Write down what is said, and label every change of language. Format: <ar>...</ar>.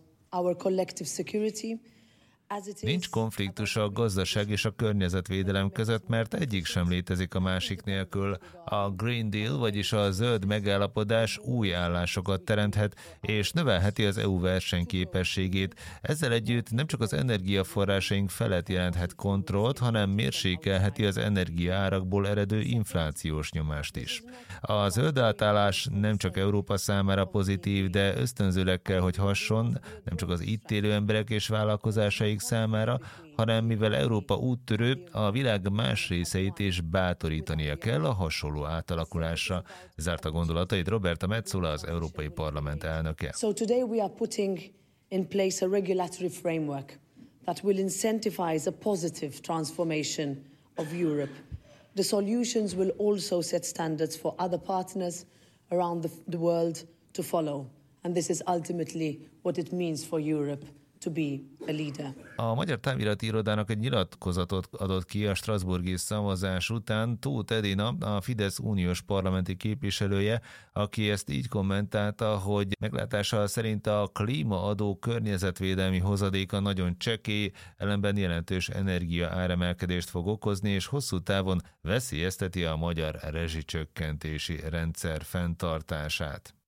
<en>Our collective security, as it is.</en> <hu>Nincs konfliktus a gazdaság és a környezetvédelem között, mert egyik sem létezik a másik nélkül. A Green Deal, vagyis a zöld megállapodás új állásokat teremthet, és növelheti az EU versenyképességét. Ezzel együtt nem csak az energiaforrásaink felett jelenthet kontrollt, hanem mérsékelheti az energiaárakból eredő inflációs nyomást is. A zöld átállás nem csak Európa számára pozitív, de ösztönzőleg kell, hogy hasson, nem csak az itt élő emberek és vállalkozásaik számára, hanem mivel Európa úttörő, a világ más részeit is bátorítania kell a hasonló átalakulásra. Zárt a gondolatait Roberta Metsola, az Európai Parlament elnöke.</hu> <en>So today we are putting in place a regulatory framework that will incentivize a positive transformation of Europe. The solutions will also set standards for other partners around the world to follow. And this is ultimately what it means for Europe. To be a leader.</en> <hu>A Magyar Távirati Irodának egy nyilatkozatot adott ki a strasbourgi szavazás után Tóth Edina, a Fidesz uniós parlamenti képviselője, aki ezt így kommentálta, hogy meglátása szerint a klímaadó környezetvédelmi hozadéka nagyon csekély, ellenben jelentős energia áremelkedést fog okozni, és hosszú távon veszélyezteti a magyar rezsicsökkentési rendszer fenntartását.</hu>